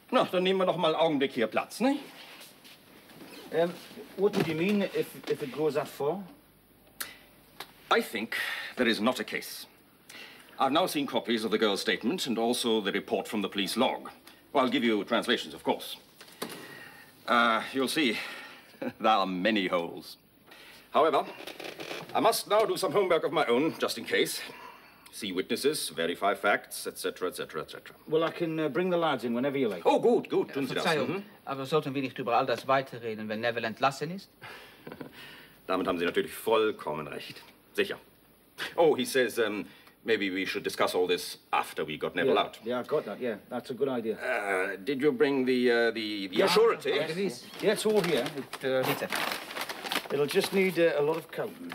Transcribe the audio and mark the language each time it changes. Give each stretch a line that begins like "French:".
German: Na, dann nehmen wir noch mal einen Augenblick hier Platz, ne?
English: What did you mean, if it goes that far? I think there is not a case. I've now seen copies of the girl's statement and also the report from the police log. Well, I'll give you translations, of course. You'll see, there are many holes. However, I must now do some homework of my own, just in case. See witnesses, verify facts, etc., etc., etc. Well, I can bring the lads in whenever you like. Oh, good, good.
German: Tun Sie Verzeihung, das. Aber sollten wir nicht über all das weiterreden, wenn Neville entlassen ist? Damit haben Sie natürlich vollkommen recht. Sicher.
English: Oh, he says, maybe we should discuss all this after we got Neville out. Yeah, I've got that, yeah. That's a good idea. Did you bring the yeah. Assurance? Yeah, it is. Yeah, it's all here. It's it. It'll just need a lot of counting.